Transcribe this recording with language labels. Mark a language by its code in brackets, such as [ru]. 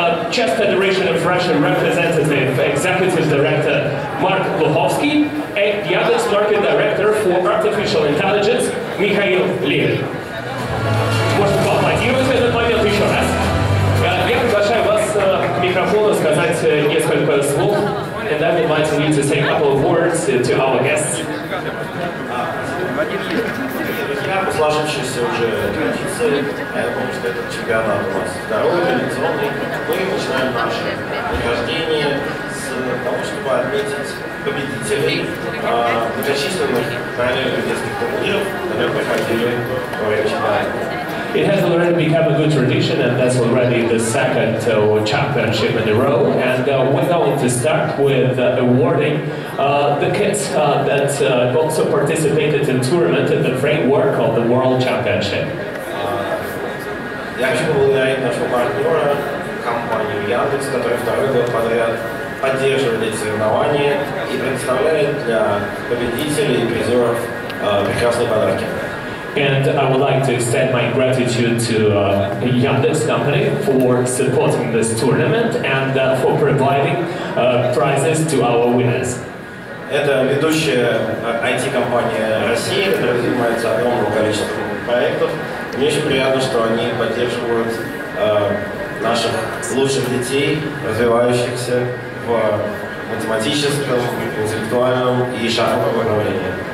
[en] Chess Federation of Russian representative, executive director Mark Luhovsky, and the Yandex Market Director for Artificial Intelligence, Mikhail Levin. [ru] Можно поаплодировать этот момент еще раз. Я приглашаю вас к микрофону сказать несколько слов. [en] And I'm inviting you to say a couple of words to our guests. [ru] По сложившейся уже традиции, я помню, что этот чемпионат у нас второй традиционный, мы начинаем наше награждение с того, чтобы отметить победителей многочисленных параллельных детских турниров, которые проходили во время чемпионата. [en] It has already become a good tradition, and that's already the second championship in a row. And we're going to start with awarding the kids that also participated in tournament in the framework of the World Championship. [ru] Я хочу поблагодарить нашего партнера, компанию Яндекс, которая второй год подряд поддерживает эти соревнования и представляет для победителей и призеров прекрасные подарки. [en] And I would like to extend my gratitude to Yandex company for supporting this tournament and for providing prizes to our winners. [ru] Это ведущая IT-компания России, которая занимается огромным количеством проектов. Мне очень приятно, что они поддерживают наших лучших детей, развивающихся в математическом, интеллектуальном и шахматном направлении.